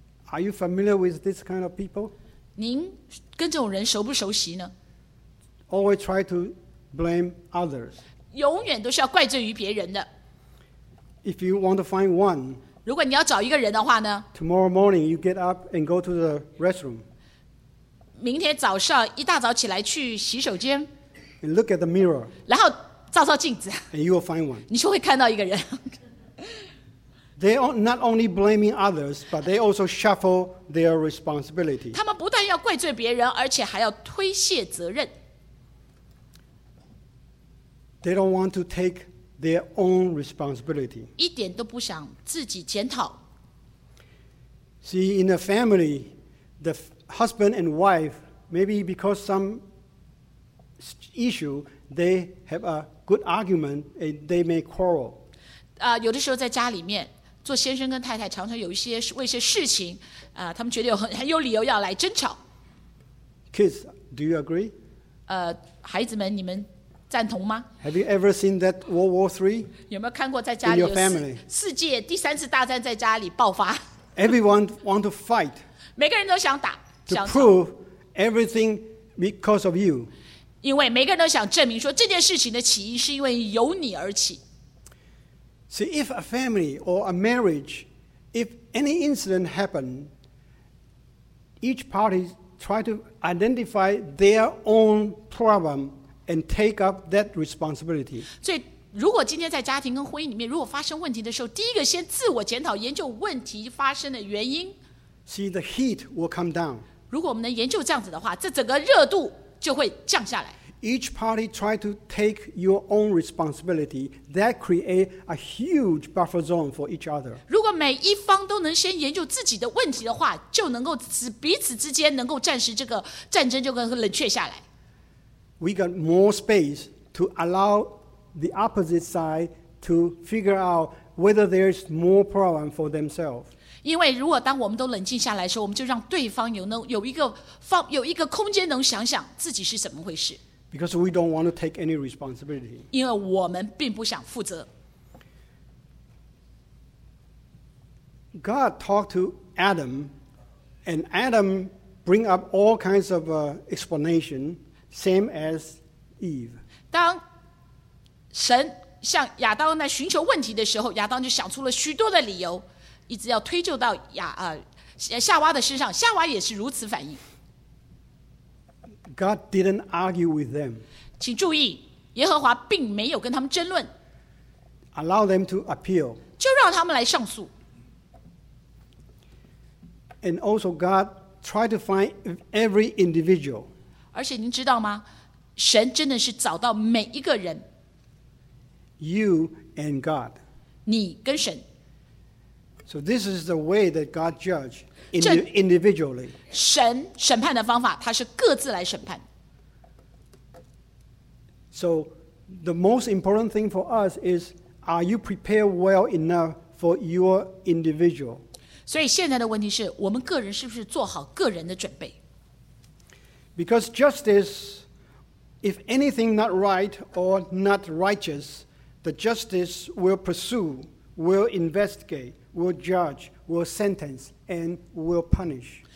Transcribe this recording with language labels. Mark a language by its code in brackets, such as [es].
[en] ，Are you familiar with this kind of people? [zh] 您跟这种人熟不熟悉呢 [en] ？Always try to. Blame others. [zh] 永远都是要怪罪于别人的。 [en] If you want to find one, [zh] 如果你要找一个人的话呢 [en] ？Tomorrow morning, you get up and go to the restroom. [zh] 明天早上一大早起来去洗手间。 [en] And look at the mirror. [zh] 然后照照镜子。 [en] And you will find one. [zh] 你就会看到一个人。 [en] They are not only blaming others, but they also shuffle their responsibility. [zh] 他们不但要怪罪别人，而且还要推卸责任。 [en] They don't want to take their own responsibility. [zh] 一点都不想自己检讨。 [en] See, in a family, the husband and wife, maybe because some issue, they have a good argument and they may quarrel. [zh] 有的时候在家里面，做先生跟太太常常有一些为一些事情，他们觉得很有理由要来争吵。 [en] Kids, do you agree? [zh] 孩子们，你们。赞同吗 [en] ？Have you ever seen that World War III? [zh] 有没有看过在家里 [en] ？In your family, [zh] 世界第三次大战在家里爆发。 [en] Everyone want to fight. [zh] 每个人都想打。 [en] To prove everything because of you. [zh] 因为每个人都想证明说这件事情的起因是因为由你而起。 [en] See, if a family or a marriage, if any incident happen, each party try to identify their own problem. And take up that responsibility. [zh] 所以，如果今天在家庭跟婚姻里面，如果发生问题的时候，第一个先自我检讨，研究问题发生的原因。 [en] See the heat will come down. [zh] 如果我们能研究这样子的话，这整个热度就会降下来。 [en] Each party try to take your own responsibility. That create a huge buffer zone for each other. [zh] 如果每一方都能先研究自己的问题的话，就能够使彼此之间能够暂时这个战争就能够冷却下来。 [en] We got more space to allow the opposite side to figure out whether there is more problem for themselves. [zh] 因为如果当我们都冷静下来的时候，我们就让对方有一个空间能想想自己是怎么回事。 [en] Because we don't want to take any responsibility. [zh] 因为我们并不想负责。 [en] God talked to Adam, and Adam bring up all kinds of explanation. Same as Eve. [zh] 当神向亚当来寻求问题的时候，亚当就想出了许多的理由，一直要推究到夏娃的身上。夏娃也是如此反应。 [en] God didn't argue with them. [zh] 请注意，耶和华并没有跟他们争论。 [en] Allow them to appeal. [zh] 就让他们来上诉。 [en] And also, God tried to find every individual. [zh] 而且您知道吗？神真的是找到每一个人。 [en] You and God. [zh] 你跟神。 [en] So this is the way that God judges individually. [zh] 神审判的方法，他是各自来审判。 [en] So the most important thing for us is, are you prepared well enough for your individual? [zh] 所以现在的问题是，我们个人是不是做好个人的准备？ [en] Because justice, if anything not right or not righteous, the justice will pursue, will investigate, will judge, will sentence, and will punish.